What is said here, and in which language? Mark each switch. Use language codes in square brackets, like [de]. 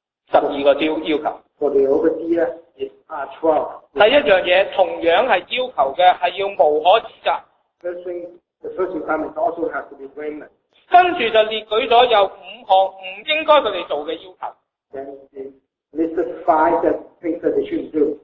[yue] 12个要求。 [en] For the overseer is 12. [yue] 第一样嘢同样系要求嘅，系要无可指责。 [en] The first requirement also has to be blameless. [yue] 跟住就列举咗有五项唔应该佢哋做嘅要求。 [en] Then they listed five that things that they shouldn't do.